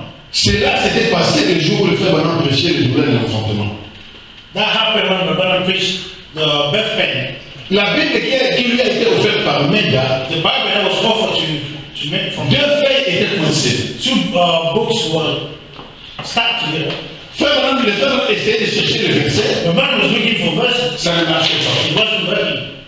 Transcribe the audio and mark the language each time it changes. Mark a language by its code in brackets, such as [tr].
[fr] Cela s'était passé le jour où le frère Branham prêchait le problème de l'enfantement. [en] That happened when the Branham preached the birth pain. [fr] La Bible qui lui a été offerte par Meda, [en] the Bible that was offered to me, [fr] deux feuilles étaient coincées. [en] Two books were stuck together. [fr] Frère Branham, le frère Branham essayait de chercher le verset. [en] The man was looking for verse. [fr] Ça ne marchait pas. [en] It wasn't working.